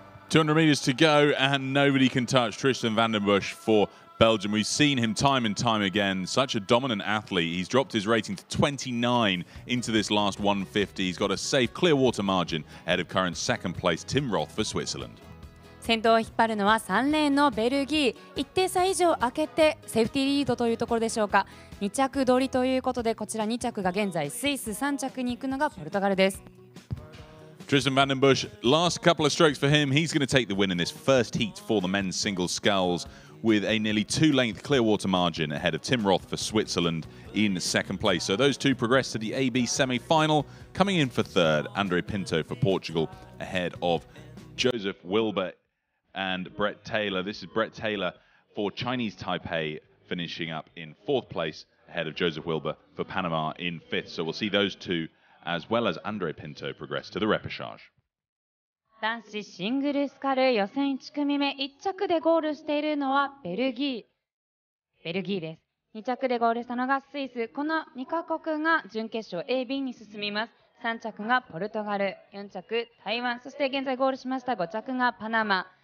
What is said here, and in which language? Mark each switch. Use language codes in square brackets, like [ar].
[en] 200 metres to go and nobody can touch Tristan van den Busch for Belgium. We've seen him time and time again. Such a dominant athlete. He's dropped his rating to 29 into this last 150. He's got a safe clear water margin ahead of current second place Tim Roth for Switzerland. [ja] 先頭を引っ張るのは3レーンのベルギー。1点差以上開けてセーフティーリードというところでしょうか。 2着取りということで、こちら2着が現在スイス、3着に行くのがポルトガルです。 [en] Tristan van den Busch, last couple of strokes for him. He's going to take the win in this first heat for the men's single sculls with a nearly 2-length clear water margin ahead of Tim Roth for Switzerland in second place. So those two progress to the AB semi-final. Coming in for third, Andre Pinto for Portugal ahead of Joseph Wilbert and Brett Taylor. This is Brett Taylor for Chinese Taipei finishing up in fourth place ahead of Joseph Wilbert for Panama in fifth. So we'll see those two as well as Andre Pinto progress to the repechage. [ja] 男子シングルスカル予選1組目、1着でゴールしているのはベルギーです。 2着でゴールしたのがスイス。この2カ国が準決勝 AB に進みます。 3着がポルトガル、4着台湾、そして現在ゴールしました5着がパナマ。